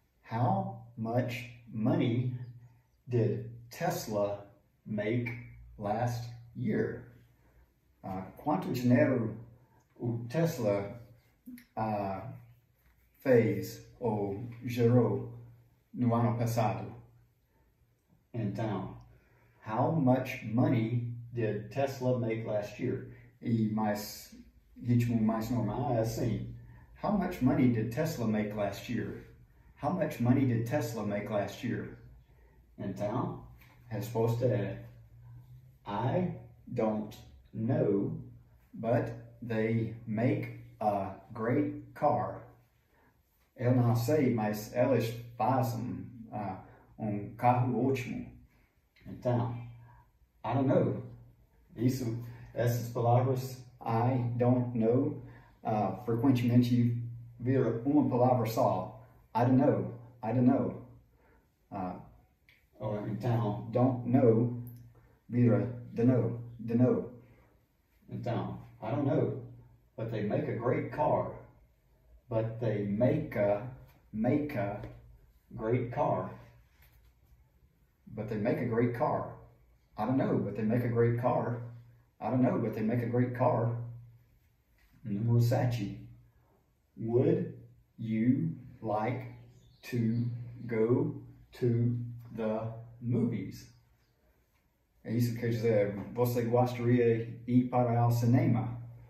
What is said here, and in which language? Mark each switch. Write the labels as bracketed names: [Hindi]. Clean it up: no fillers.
[English] How much money did Tesla make last year? [Portuguese] Quanto dinheiro o Tesla fez ou gerou no ano passado? [English] Então, how much money did Tesla make last year? [Portuguese] E mais, ritmo mais normal é assim. [English] How much money did Tesla make last year? How much money did Tesla make last year? [Portuguese] Então, resposta é, [English] I don't know, but they make a great car. [Portuguese] Eu não sei, mas eles fazem um carro ótimo. Então, [English] I don't know. [Portuguese] Isso, essas palavras, I don't know, frequentemente vira uma palavra só. [English] I don't know, I don't know. Então, don't know, vira don't know, don't know. Então, I don't know. But they make a great car. But they make a great car. But they make a great car. I don't know, but they make a great car. I don't know, but they make a great car. Número 7. Would you like to go to the movies? [Portuguese] Isso quer dizer, você gostaria de ir para o cinema?